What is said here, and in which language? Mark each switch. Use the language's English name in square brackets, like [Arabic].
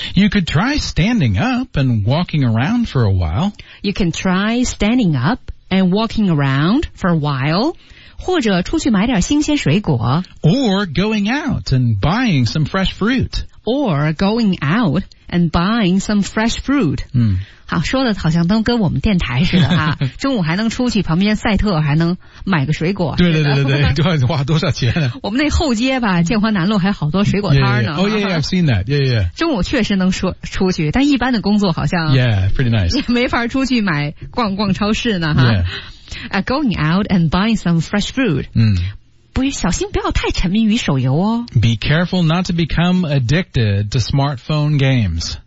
[English] You could try standing up and walking around for a while You can try standing up and walking around for a while [Chinese] 或者出去买点新鲜水果 [English] Or going out and buying some fresh fruit Or going out and buying some fresh fruit.、嗯、 [Chinese] 好说的好像都跟我们电台似的哈。中午还能出去旁边赛特还能买个水果。对对对对对对花多少钱呢我们那后街吧建华南路还有好多水果摊呢。 [English] Yeah, yeah. Oh yeah, yeah, I've seen that. Yeah, yeah. [Chinese] 中午确实能说出去但一般的工作好像。 [English] Yeah, pretty nice. [Chinese] 没法出去买逛逛超市呢哈。 [English] Yeah. Going out and buying some fresh fruit.、嗯 [Chinese] 不小心不要太沉迷于手游哦 [English] Be careful not to become addicted to smartphone games